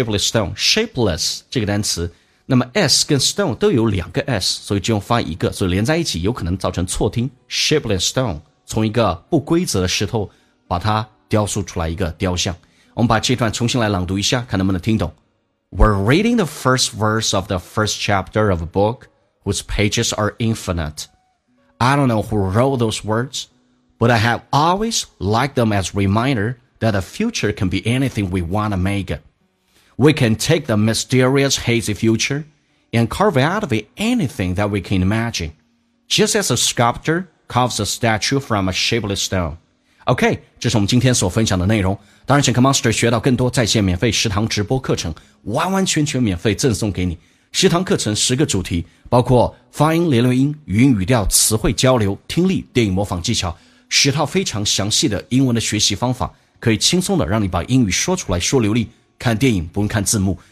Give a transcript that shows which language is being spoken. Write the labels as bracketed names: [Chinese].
[Chinese] shapeless stone， shapeless 这个单词，那么 s 跟 stone 都有两个 s， 所以就用发一个，所以连在一起有可能造成错听， shapeless stone， 从一个不规则的石头把它雕塑出来一个雕像。我们把这段重新来朗读一下，看能不能听懂。 [English] We're reading the first verse of the first chapter of a book whose pages are infinite. I don't know who wrote those words, but I have always liked them as a reminder that the future can be anything we want to make. We can take the mysterious, hazy future and carve out of it anything that we can imagine. Just as a sculptor carves a statue from a shapeless stone. [Chinese] OK， 这是我们今天所分享的内容。当然请跟 Monster 学到更多在线免费食堂直播课程，完完全全免费赠送给你。食堂课程十个主题，包括发音、连连音、语音语调、词汇交流、听力、电影模仿技巧，十套非常详细的英文的学习方法，可以轻松的让你把英语说出来说流利，看电影不用看字幕。